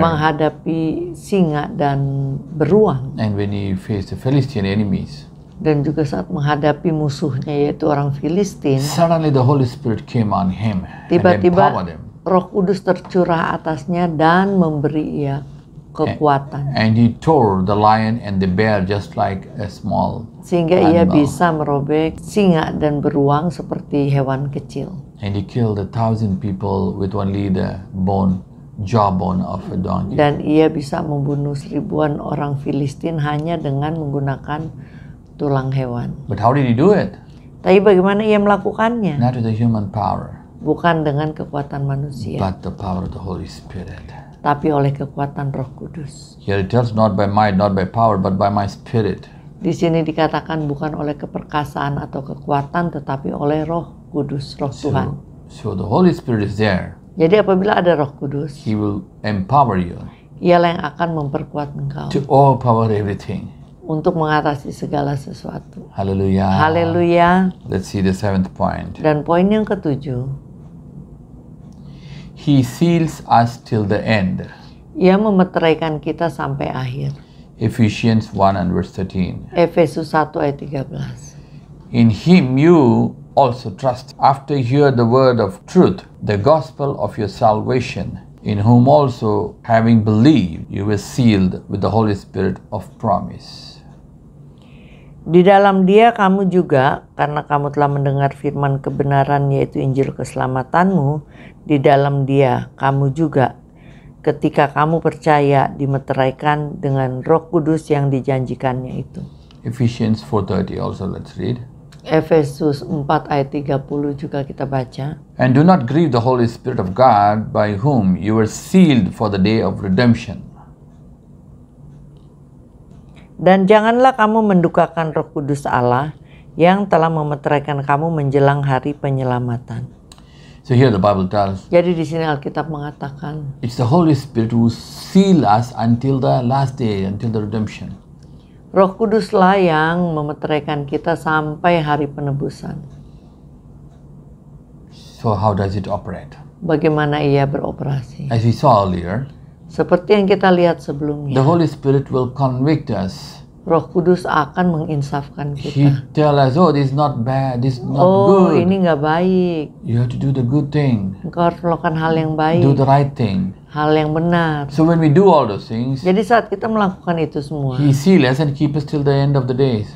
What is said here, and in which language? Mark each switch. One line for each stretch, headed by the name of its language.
Indonesian: menghadapi singa dan beruang,
English: and when he faced the Philistine enemies,
Indonesian: dan juga saat menghadapi musuhnya yaitu orang Filistin,
English: suddenly the Holy Spirit came on him,
Indonesian: tiba-tiba
English: and empowered him.
Indonesian: Roh Kudus tercurah atasnya dan memberi ia kekuatan,
English: and he tore the lion and the bear just like a small
Indonesian: sehingga
English: animal.
Indonesian: Ia bisa merobek singa dan beruang seperti hewan kecil.
English: And he killed 1,000 people with only the bone, jawbone of a donkey.
Indonesian: Dan ia bisa membunuh ribuan orang Filistin hanya dengan menggunakan tulang hewan.
English: But how did he do it?
Indonesian: Tapi bagaimana ia melakukannya?
English: Not with the human power.
Indonesian: Bukan dengan kekuatan manusia.
English: But the power of the Holy Spirit.
Indonesian: Tapi oleh kekuatan Roh Kudus.
English: Here it tells not by might, not by power, but by my spirit.
Indonesian: Di sini dikatakan bukan oleh keperkasaan atau kekuatan, tetapi oleh Roh Kudus, Roh Tuhan.
English: So the Holy Spirit is there.
Indonesian: Jadi apabila ada Roh Kudus,
English: He will empower you.
Indonesian: Ialah yang akan memperkuat engkau.
English: To overpower everything.
Indonesian: Untuk mengatasi segala sesuatu. Haleluya. Haleluya.
English: Let's see the seventh point.
Indonesian: Dan poin yang ketujuh.
English: He seals us till the end.
Indonesian: Ia memeteraikan kita sampai akhir.
English: Ephesians 1 and verse 13.
Indonesian: Efesus 1 ayat 13.
English: In Him you also trust, after you hear the word of truth, the gospel of your salvation, in whom also, having believed, you were sealed with the Holy Spirit of promise.
Indonesian: Di dalam Dia kamu juga, karena kamu telah mendengar firman kebenaran, yaitu Injil keselamatanmu, di dalam Dia kamu juga, ketika kamu percaya, dimeteraikan dengan Roh Kudus yang dijanjikannya itu.
English: Ephesians 4:30 also, let's read.
Indonesian: Efesus 4 ayat 30 juga kita baca.
English: And do not grieve the Holy Spirit of God, by whom you were sealed for the day of redemption.
Indonesian: Dan janganlah kamu mendukakan Roh Kudus Allah yang telah memeteraikan kamu menjelang hari penyelamatan.
English: So here the Bible tells.
Indonesian: Jadi di sini Alkitab mengatakan.
English: It's the Holy Spirit who seal us until the last day, until the redemption.
Indonesian: Roh Kuduslah yang memeteraikan kita sampai hari penebusan.
English: So how does it operate?
Indonesian: Bagaimana ia beroperasi?
English: As we saw earlier.
Indonesian: Seperti yang kita lihat sebelumnya.
English: The Holy Spirit will convict us.
Indonesian: Roh Kudus akan menginsafkan kita.
English: He tell us, oh, this is not bad, this is not good.
Indonesian: Oh, ini enggak baik.
English: You have to do the good thing.
Indonesian: Engkau harus melakukan hal yang baik.
English: Do the right thing.
Indonesian: Hal yang benar.
English: So when we do all those things.
Indonesian: Jadi saat kita melakukan itu semua.
English: He seal us and keep us till the end of the days.